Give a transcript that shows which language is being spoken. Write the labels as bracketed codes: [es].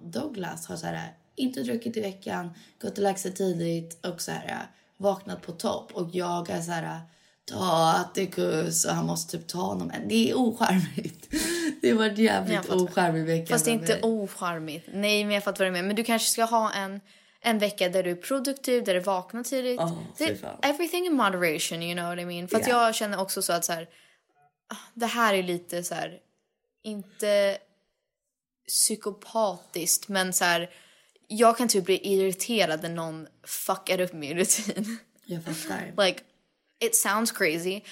[sv] Douglas har så här, inte druckit i veckan, gått och lagt sig tidigt och så här, vaknat på topp. Och jag är så här, ta Atticus, och han måste typ ta honom. Det är oskärmigt. Det var jävligt oskärmigt vecka. Fast det är inte oskärmigt. Nej, men jag fattar vad du menar. Men du kanske ska ha en vecka där du är produktiv, där du vaknar tidigt. [en] Everything in moderation, you know what I mean? [sv] För att jag känner också så att så här, det här är lite så här, inte psykopatiskt, men så här, jag kan typ bli irriterad när någon fuckar upp min rutin. Jag fattar. [en] Like, it sounds crazy.